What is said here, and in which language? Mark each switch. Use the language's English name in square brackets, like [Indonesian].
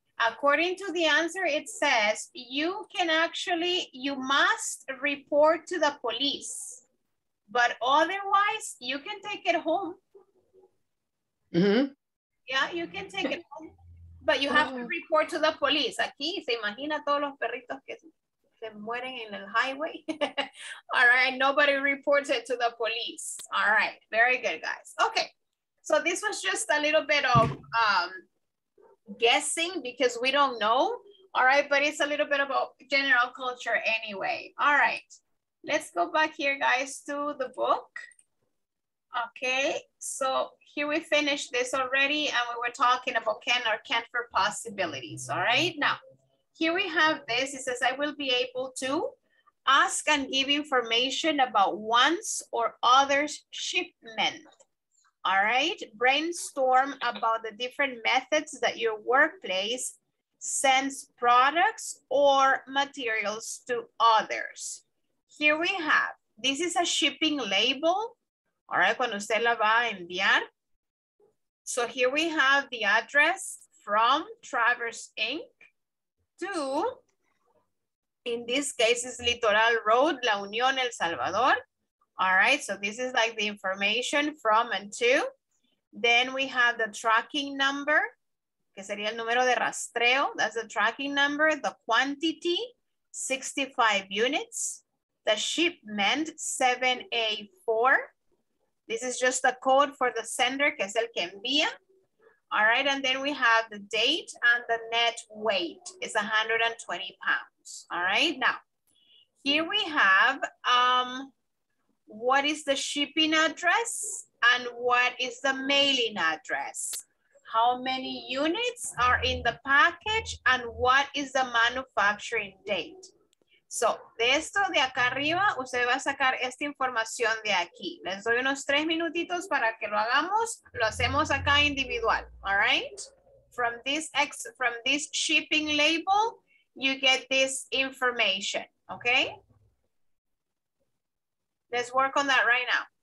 [English] According to the answer, it says you can actually, you must report to the police, but otherwise you can take it home. Mm-hmm. Yeah, you can take it home. But you have to report to the police. [Spanish] Aquí se imagina todos los perritos que se mueren en el highway. [English] All right, nobody reports it to the police. All right, very good, guys. Okay, so this was just a little bit of guessing because we don't know. All right, but it's a little bit about general culture anyway. All right, let's go back here, guys, to the book. Okay, so here we finished this already and we were talking about can or can't for possibilities, all right? Now, here we have this, it says, I will be able to ask and give information about once or others shipment, all right? Brainstorm about the different methods that your workplace sends products or materials to others. Here we have, this is a shipping label. [Spanish] All right, cuando usted la va a enviar. [English] So here we have the address from Traverse Inc. to, in this case, is Litoral Road, La Unión, El Salvador. All right, so this is like the information from and to. Then we have the tracking number, [Spanish] que sería el número de rastreo. [English] That's the tracking number, the quantity, 65 units. The shipment, 7A4. This is just the code for the sender, [Spanish] que es el que envía. [English] All right, and then we have the date and the net weight is 120 pounds. All right, now, here we have, what is the shipping address and what is the mailing address? How many units are in the package and what is the manufacturing date? [Spanish] So, de esto de acá arriba, usted va a sacar esta información de aquí. Les doy unos 3 minutitos para que lo hagamos. Lo hacemos acá individual, all right? [English] From this shipping label, you get this information, okay? Let's work on that right now.